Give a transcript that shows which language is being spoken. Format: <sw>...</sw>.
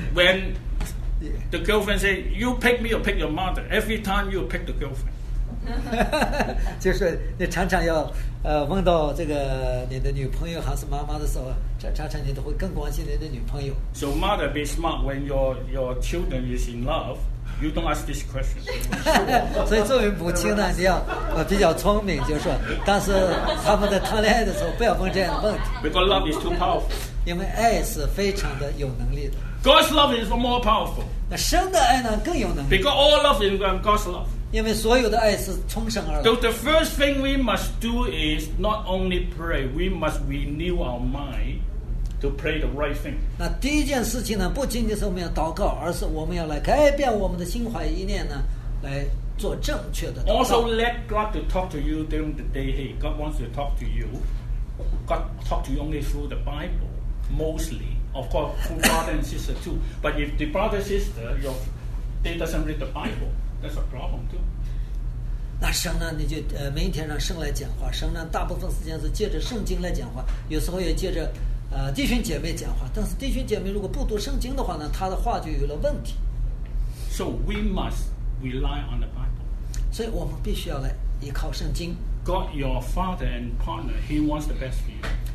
<en>When the girlfriend say you pick me or pick your mother, every time you pick the girlfriend.</en> <zh>就是你常常要问到这个你的女朋友还是妈妈的时候。常常你都会更关心你的女朋友。</zh> <en>So mother, be smart when your children is in love. You don't ask this question.</en> <zh>所以作为母亲呢，你要比较聪明，就是说，但是他们在谈恋爱的时候，不要问这样的问题。</zh> <en>Because love is too powerful.</en> <zh>因为爱是非常的有能力的。</zh> <en>God's love is more powerful.</en> <zh>那神的爱呢，更有能力。</zh> <en>Because all love is God's love.</en> <zh>因为所有的爱是从神而来。</zh> <en>So the first thing we must do is not only pray, we must renew our mind. To pray the right thing.</en> <zh>那第一件事情呢，不仅仅是我们要祷告，而是我们要来改变我们的心怀意念呢，来做正确的祷告。</zh> <en>Also, let God to talk to you during the day. Hey, God wants to talk to you. God talk to you only through the Bible, mostly. Of course, through brother and sister too. But if the brother and sister, they doesn't read the Bible, that's a problem too.</en> <zh>那神呢？你就每一天让神来讲话。神呢，大部分时间是借着圣经来讲话，有时候也借着弟兄姐妹讲话。但是弟兄姐妹如果不读圣经的话呢，他的话就有了问题。</zh> <en>So we must rely on the Bible.</en> <zh>所以我们必须要来依靠圣经。</zh> <en>God, your father and partner, he wants the best for you.</en>